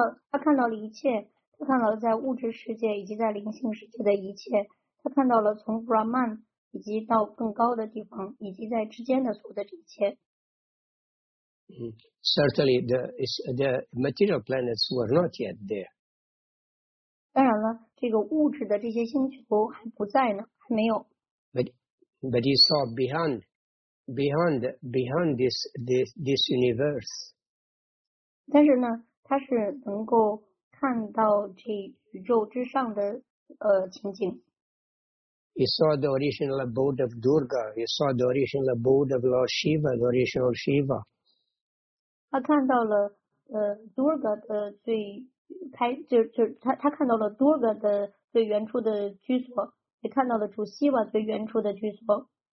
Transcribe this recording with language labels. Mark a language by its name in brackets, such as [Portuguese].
[Chinese] 他看到了一切，他看到了在物质世界以及在灵性世界的一切，他看到了从 Brahman 以及到更高的地方以及在之间的所有的这一切。 [English] Certainly, the material planets were not yet there. [Chinese] 当然了，这个物质的这些星球还不在呢，还没有。 [English] But he saw behind this universe. [Chinese] 但是呢，他是能够看到这宇宙之上的情景。 [English] He saw the original abode of Durga. He saw the original abode of Lord Shiva, the original Shiva. [Chinese] 他看到了Durga 的最开就他看到了 Durga 的最原初的居所，也看到了主希瓦最原初的居所。